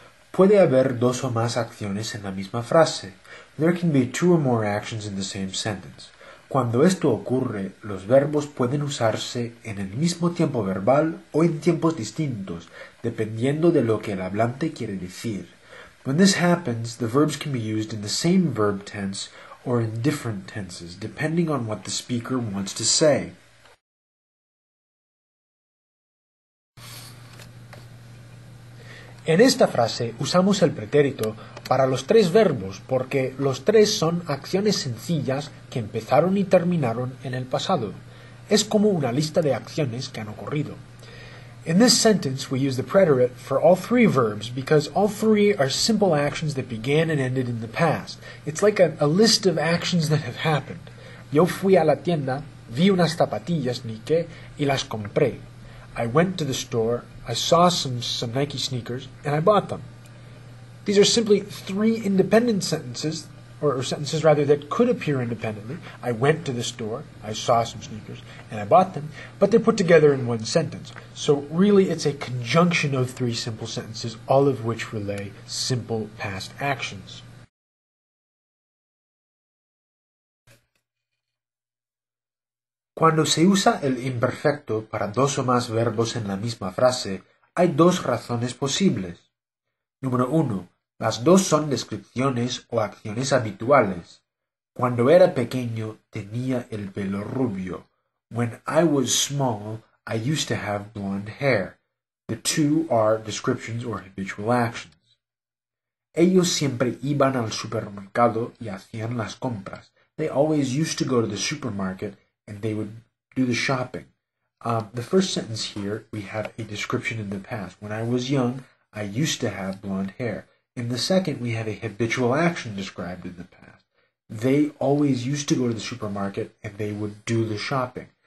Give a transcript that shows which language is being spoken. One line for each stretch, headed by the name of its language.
Spanish: Puede haber dos o más acciones en la misma frase.
English: There can be two or more actions in the same sentence.
Spanish: Cuando esto ocurre, los verbos pueden usarse en el mismo tiempo verbal o en tiempos distintos, dependiendo de lo que el hablante quiere decir.
English: When this happens, the verbs can be used in the same verb tense or in different tenses, depending on what the speaker wants to say.
Spanish: En esta frase usamos el pretérito para los tres verbos porque los tres son acciones sencillas que empezaron y terminaron en el pasado. Es como una lista de acciones que han ocurrido.
English: In this sentence we use the preterite for all three verbs because all three are simple actions that began and ended in the past. It's like a list of actions that have happened.
Spanish: Yo fui a la tienda, vi unas zapatillas Nike y las compré.
English: I went to the store, I saw some Nike sneakers, and I bought them. These are simply three independent sentences, or sentences rather, that could appear independently. I went to the store, I saw some sneakers, and I bought them, but they're put together in one sentence. So really, it's a conjunction of three simple sentences, all of which relay simple past actions.
Spanish: Cuando se usa el imperfecto para dos o más verbos en la misma frase, hay dos razones posibles. Número uno, las dos son descripciones o acciones habituales. Cuando era pequeño, tenía el pelo rubio.
English: When I was small, I used to have blonde hair. The two are descriptions or habitual actions.
Spanish: Ellos siempre iban al supermercado y hacían las compras.
English: They always used to go to the supermarket and they would do the shopping. The first sentence here, we have a description in the past. When I was young, I used to have blonde hair. In the second, we have a habitual action described in the past. They always used to go to the supermarket and they would do the shopping.